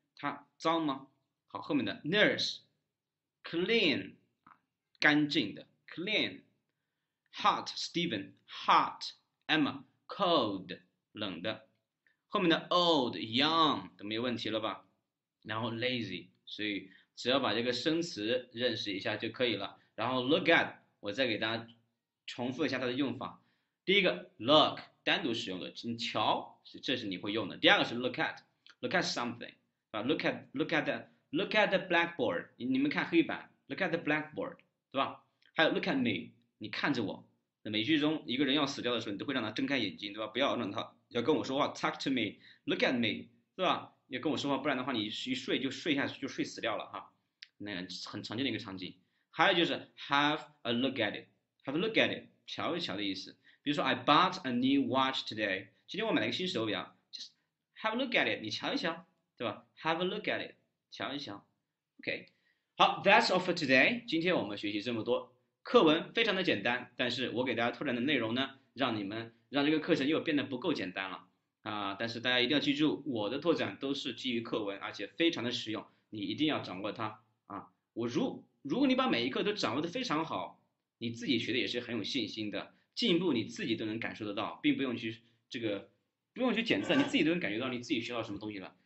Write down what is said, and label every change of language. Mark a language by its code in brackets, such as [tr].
[zh] 他脏吗？好，后面的 nurse， clean， 干净的 clean， hot， Stephen， hot， Emma， cold， 冷的，后面的 old， young 都没问题了吧？然后 lazy， 所以只要把这个生词认识一下就可以了。然后 look at， 我再给大家重复一下它的用法。第一个 look 单独使用的，你瞧，这是你会用的。第二个是 look at something， 啊 ，look at that。 [en] Look at the blackboard， [zh] 你们看黑板。 [en] Look at the blackboard， [zh] 对吧？还有 [en] Look at me， [zh] 你看着我。那美剧中一个人要死掉的时候，你都会让他睁开眼睛，对吧？不要让他要跟我说话。 [en] Talk to me， Look at me， 对吧？ [zh] 要跟我说话，不然的话你一睡就睡下去就睡死掉了哈。那个很常见的一个场景。还有就是 [en] Have a look at it， Have a look at it， [zh] 瞧一瞧的意思。比如说 [en] I bought a new watch today， [zh] 今天我买了一个新手表。 [en] Just have a look at it， [zh] 你瞧一瞧，对吧 [en] ？Have a look at it。 [zh] 瞧一瞧 [en] ，OK， 好 ，That's all for today。 [zh] 今天我们学习这么多，课文非常的简单，但是我给大家拓展的内容呢，让这个课程又变得不够简单了但是大家一定要记住，我的拓展都是基于课文，而且非常的实用，你一定要掌握它如果你把每一课都掌握得非常好，你自己学的也是很有信心的，进一步你自己都能感受得到，并不用去不用去检测，你自己都能感觉到你自己学到什么东西了。